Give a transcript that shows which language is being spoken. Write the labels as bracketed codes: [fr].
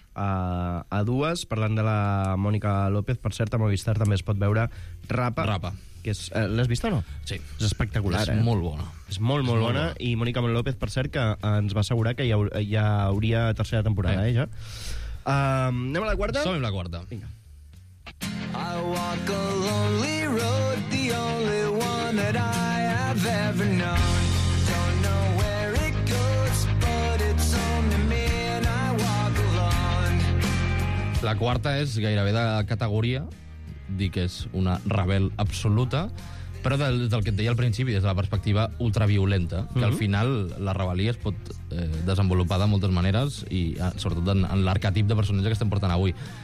[ca] A dues, parlant de la Mònica López, per cert, a Movistar també es pot veure Rapa. Que és, l'has vist o no? Sí. És espectacular, és molt bona. És molt bona. I Mònica López, per cert, que ens va assegurar que ja hauria tercera temporada, ja. Anem a la quarta? Som-hi la quarta. Vinga. [en] I walk a lonely road, the only one that I have ever known. Don't know where it goes, but it's only me and I walk alone. [ca] La quarta és gairebé de categoria, dir que és una rebel absoluta, però del que et deia al principi, des de la perspectiva ultraviolenta, que al final la rebel·lia es pot desenvolupar de moltes maneres, i sobretot en l'arquetip de personatge que estem portant avui.